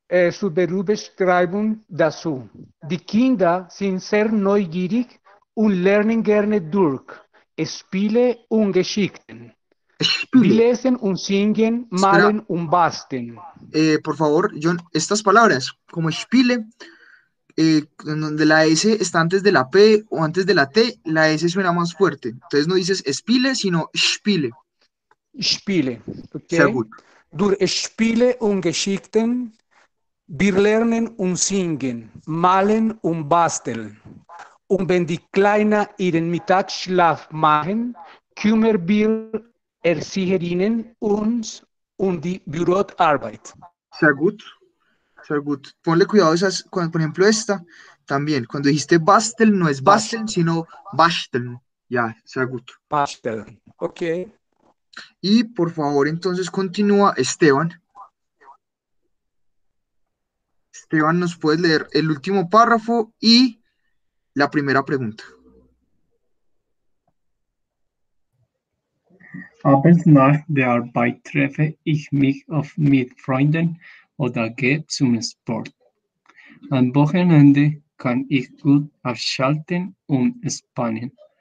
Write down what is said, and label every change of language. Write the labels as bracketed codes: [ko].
[de] Su Berufbeschreibung dazu. Die Kinder sind sehr neugierig und lernen gerne durch Spiele und Geschichten. Wir Spiele. lesen und singen, [es] Espera. [de] malen und basteln. [es] Por favor, John, estas palabras, como Spiele, donde la S está antes de la P o antes de la T, la S suena más fuerte. Entonces no dices Spiele, sino Spiele. [de] Spiele, [es] Seguro. ok. [de] Durch Spiele und Geschichten, wir lernen und singen, malen und basteln. Und wenn die Kleinen ihren Mittagsschlaf machen, kümmern wir Erzieherinnen uns um die Büroarbeit. Sehr gut, sehr gut. [es] Ponle cuidado esas, cuando, por ejemplo, esta también. Cuando dijiste basteln, no es basteln, [de] Basteln. [es] sino basteln. Ya, [de] sehr gut. Basteln. Ok. [es] Y por favor, entonces continúa Esteban. Esteban, ¿nos puedes leer el último párrafo y la primera pregunta? [de] Abends nach der Arbeit treffe ich mich oft mit Freunden oder gehe zum Sport. Am Wochenende kann ich gut abschalten und entspannen.